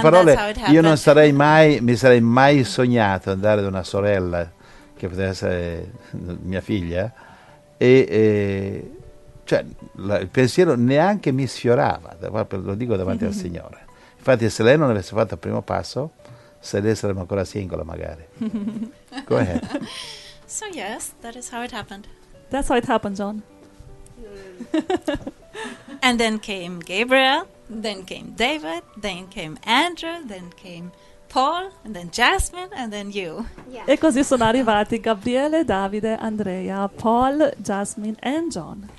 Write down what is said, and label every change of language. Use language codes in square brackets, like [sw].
[it] parole, io non sarei mai, mi sarei mai sognato andare da una sorella che poteva essere mia figlia, e cioè il pensiero neanche mi sfiorava, lo dico davanti al Signore. Infatti se lei non avesse fatto il primo passo, se lei saremmo ancora singola magari. [en] Go ahead. So yes, that is how it happened. That's how it happened, John. And then came Gabriel, then came David, then came Andrew, then came Paul, and then Jasmine, and then you. [it] Yeah. E così sono arrivati Gabriele, Davide, Andrea, Paul, Jasmine, and John.